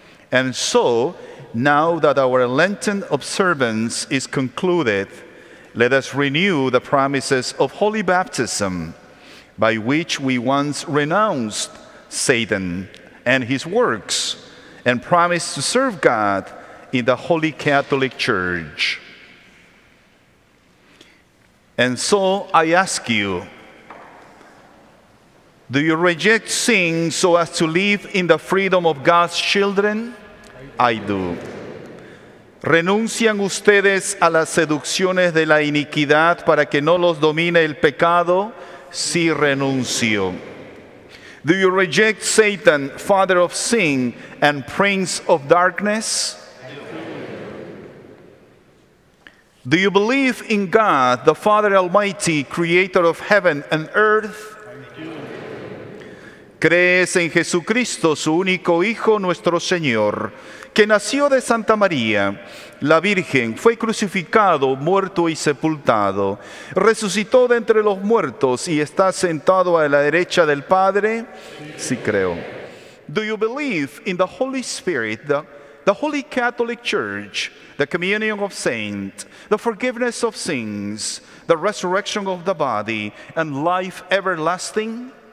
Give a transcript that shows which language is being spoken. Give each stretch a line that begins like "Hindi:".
English: And so, now that our Lenten observance is concluded, let us renew the promises of holy baptism, by which we once renounced Satan and his works and promised to serve God in the Holy Catholic Church. And so I ask you, do you reject sin so as to live in the freedom of God's children? I do.
Spanish: ¿Renuncian ustedes a las seducciones de la iniquidad para que no los domine el pecado? Sí, renuncio.
English: Do you reject Satan, father of sin and prince of darkness? Do you believe in God, the Father Almighty, creator of heaven and earth?
Spanish: ¿Crees en Jesucristo, su único Hijo, nuestro Señor, que nació de Santa María, la Virgen, fue crucificado, muerto y sepultado, resucitó de entre los muertos y está sentado a la derecha del Padre? Sí, creo.
English: Do you believe in the Holy Spirit, the Holy Catholic Church, the communion of saints, the forgiveness of sins, the resurrection of the body, and life everlasting?